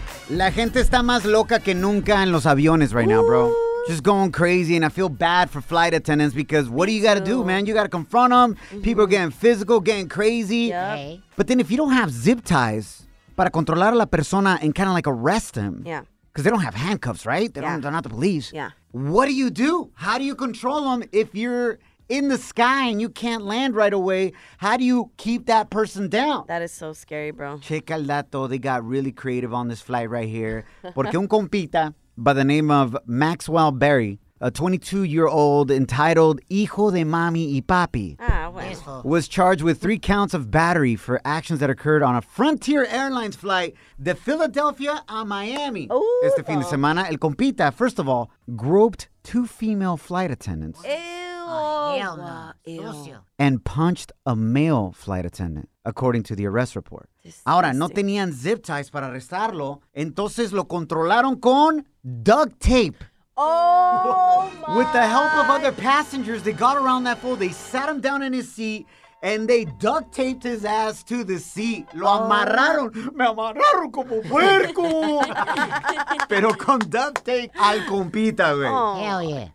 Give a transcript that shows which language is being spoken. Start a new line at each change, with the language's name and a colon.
Spanish: La gente está más loca que nunca en los aviones
English: right now, bro. Just going crazy, and I feel bad for flight attendants because what Me do you got to do, man? You got to confront them. Mm-hmm. People are getting physical, getting crazy. Yep. But then if you don't have zip ties
Spanish: para controlar a la persona
English: and kind of like arrest them, because they don't have handcuffs, right? They're not the police. Yeah. What do you do? How do you control them if you're in the sky and you can't land right away? How do you keep that person down? That is so scary, bro.
Spanish: Checa el dato.
English: They got really creative on this flight right here.
Spanish: Porque un compita
English: by the name of Maxwell Berry, a 22-year-old entitled
Spanish: Hijo de Mami y Papi,
English: was charged with 3 counts of battery for actions that occurred on a Frontier Airlines flight
Spanish: de Philadelphia a Miami.
English: Ooh,
Spanish: este fin de semana, el compita,
English: first of all, groped 2 female flight attendants. Ew. Hell no. Ew. And punched a male flight attendant, according to the arrest report. Disgusting.
Spanish: Ahora, no tenían zip ties para arrestarlo, entonces lo controlaron con duct tape.
English: Oh, with the help of other passengers, they got around that fool. They sat him down in his seat and they duct taped his ass to the seat.
Spanish: Lo amarraron. Me amarraron como puerco. Pero con duct tape al compita, güey.
English: Oh. Hell yeah.